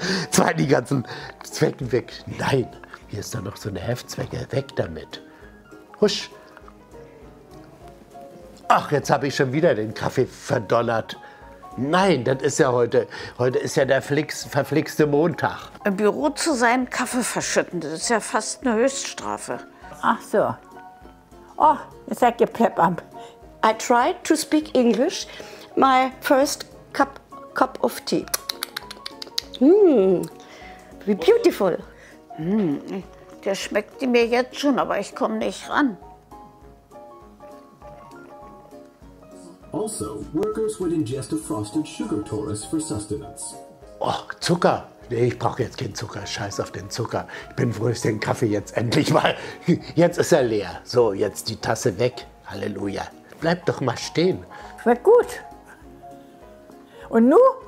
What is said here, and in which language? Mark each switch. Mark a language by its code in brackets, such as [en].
[de] Zwei die ganzen Zwecken weg. Nein. Hier ist da noch so eine Heftzwecke. Weg damit. Husch. Ach, jetzt habe ich schon wieder den Kaffee verdonnert. Nein, das ist ja heute. Heute ist ja der verflixte Montag. Im Büro zu sein, Kaffee verschütten, das ist ja fast eine Höchststrafe. Ach so. Oh, jetzt sagt ihr Plepp. [en] I tried to speak English. My first cup of tea. Wie beautiful. [de] Der schmeckt mir jetzt schon, aber ich komme nicht ran. [en] Also, workers would ingest a frosted sugar torus for sustenance. [de] Oh, Zucker. Nee, ich brauche jetzt keinen Zucker. Scheiß auf den Zucker. Ich bin froh, dass den Kaffee jetzt endlich mal. Jetzt ist er leer. So, jetzt die Tasse weg. Halleluja. Bleib doch mal stehen. Schmeckt gut. Und nu?